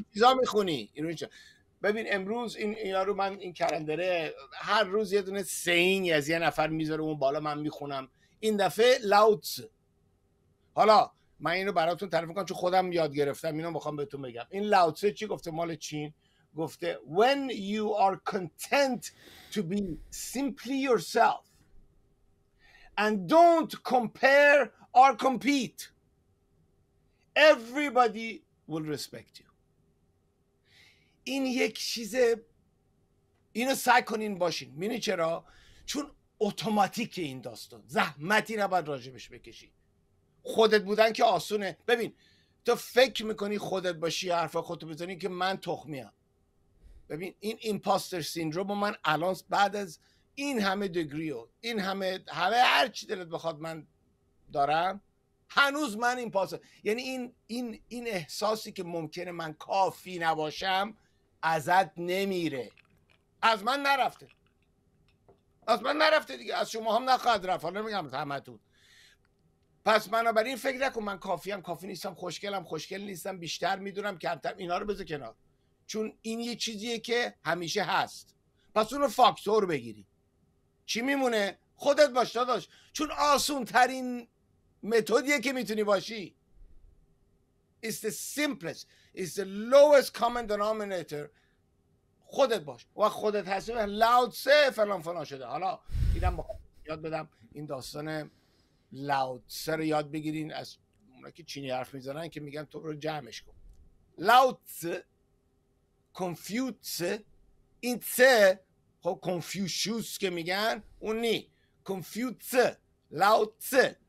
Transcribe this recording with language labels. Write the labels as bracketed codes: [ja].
[fa] چیزا میخونی اینو اینجا. ببین امروز این یارو من این کلندره هر روز یه دونه سین از یه نفر میذاره اون بالا من میخونم، این دفعه لاوتز. حالا من اینو براتون تعریف میکنم چون خودم یاد گرفتم، اینو میخوام بهتون بگم. این لاوتسه چی گفته؟ مال چین. [en] گفته When you are content to be simply yourself and don't compare or compete, everybody will respect you. [fa] این یک چیزه، اینو سعی کنین باشین. میدونی چرا؟ چون اوتوماتیک این داستان، زحمتی نباید راجبش بکشی. خودت بودن که آسونه. ببین، تو فکر میکنی خودت باشی، حرف خودتو بزنی که من تخمیم. ببین این ایمپاستر سیندروم من الان بعد از این همه دگریو، این همه هر چی دلت بخواد من دارم، هنوز من ایمپاستر، یعنی این احساسی که ممکنه من کافی نباشم ازت نمیره، از من نرفته دیگه، از شما هم نخواهد رفت. حالا نمیگم همتون، پس بنابراین فکر نکن من کافیم، کافی نیستم، خوشگل نیستم، بیشتر میدونم، کمتر، اینا رو بذار کنار، چون این یه چیزیه که همیشه هست. پس اون رو فاکتور بگیری. چی میمونه؟ خودت باش داداش، چون آسون ترین متدیه که میتونی باشی. [en] It's the simplest, it's the lowest common denominator. [fa] خودت باش و خودت هستی. لاوتسه فلان فلان شده. حالا اینم یاد بدم، این داستان لاوتسه رو یاد بگیرین از اونا که چینی حرف میزنن، که میگن تو رو جمعش کن. لاوتسه، کنفیوتسه، این سه، خب کنفیوشوس که میگن اون نی، کنفیوتسه، لاوتسه.